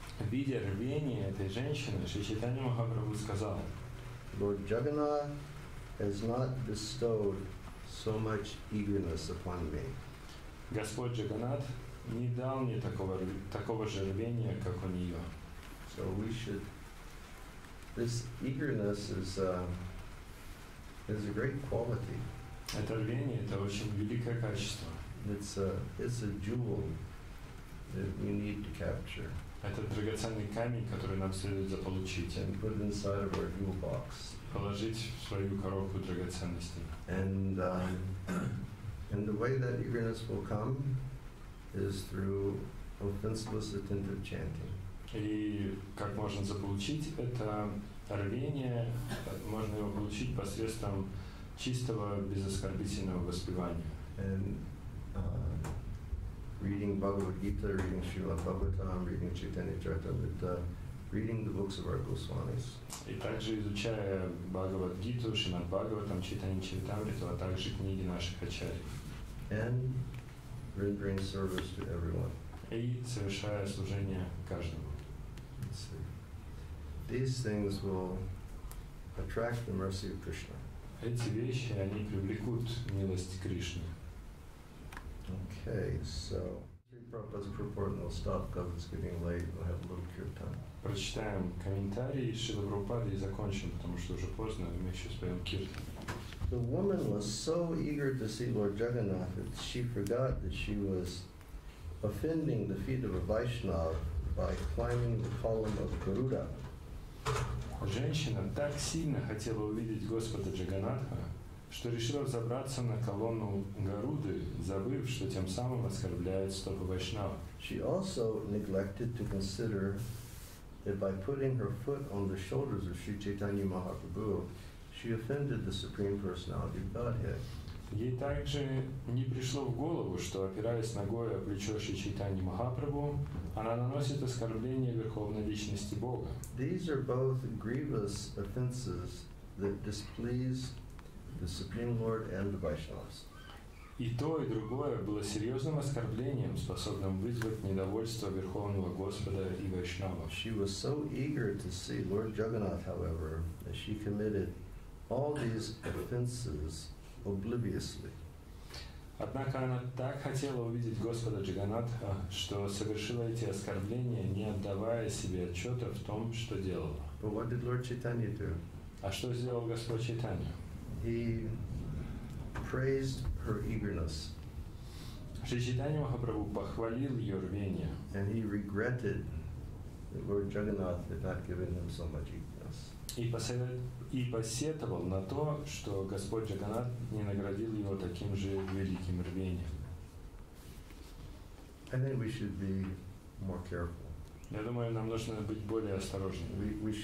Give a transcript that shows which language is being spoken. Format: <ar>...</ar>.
<ru>видя рвение этой женщины, Шри Чайтанья Махапрабху сказал,</ru> <en>Lord Jagannath has not bestowed so much eagerness upon me.</en> <ru>Господь Джаганнат не дал мне такого же рвения, как у нее.</ru> <en>So we should. This eagerness is a great quality.</en> <ru>Это рвение — это очень великое качество.</ru> <en>It's a jewel that we need to capture.</en> <ru>Это драгоценный камень, который нам следует заполучить.</ru> <en>And put inside of our jewel box.</en> <ru>Положить в свою коробку драгоценностей.</ru> <en>And the way that eagerness will come is through offenseless attentive chanting.</en> <ru>И как можно заполучить это рвение, можно его получить посредством чистого, безоскорбительного воспевания.</ru> <en>And reading Bhagavad Gita, reading Srila Bhagavatam, reading Chaitanya Charitamrita, reading the books of our Goswamis.</en> <ru>И также изучая Бхагавад Гиту, Шримад Бхагаватам, Чайтанья Чаритамриту, а также книги наших ачарьев.</ru> <en>And rendering service to everyone.</en> <ru>И совершая служение каждому.</ru> <en>These things will attract the mercy of Krishna.</en> <ru>Эти вещи, они привлекут милость Кришны.</ru> <en>Okay, so Prabhupada's purport and we'll stop because it's getting late. We'll have a little kirtan.</en> <ru>Прочитаем комментарии Шрилы Прабхупады и закончим, потому что уже поздно, мы еще споем киртан.</ru> <en>The woman was so eager to see Lord Jagannath that she forgot that she was offending the feet of a Vaishnava by climbing the column of Garuda.</en> <ru>Женщина так сильно хотела увидеть Господа Джаганнатха, что решила взобраться на колонну Гаруды, забыв, что тем самым оскорбляет стопы Вайшнава.</ru> <en>She also neglected to consider that by putting her foot on the shoulders of Sri Chaitanya Mahaprabhu, she offended the Supreme Personality of Godhead.</en> <ru>Ей также не пришло в голову, что, опираясь ногой о плечо Шри Чайтаньи Махапрабху, она наносит оскорбление Верховной Личности Бога.</ru> <en>These are both grievous offenses that displease the Supreme Lord and the Vaishnavas.</en> <ru>И то, и другое было серьезным оскорблением, способным вызвать недовольство Верховного Господа и Вайшнава.</ru> <en>She was so eager to see Lord Jagannath, however, that she committed all these offenses obliviously.</en> <ru>Однако она так хотела увидеть Господа Джаганнатха, что совершила эти оскорбления, не отдавая себе отчета в том, что делала.</ru> <en>But what did Lord Chaitanya do?</en> <ru>А что сделал Господь Чайтанья?</ru> <en>He praised her eagerness.</en> <ru>Шри Чайтанья Махапрабху похвалил ее рвение.</ru> <en>And he regretted that Lord Jagannath had not given him so much eagerness.</en> <ru>И посетовал на то, что Господь Джаганнат не наградил его таким же великим рвением.</ru> <en>I think we should be more careful.</en> <ru>Я думаю, нам нужно быть более осторожными.</ru>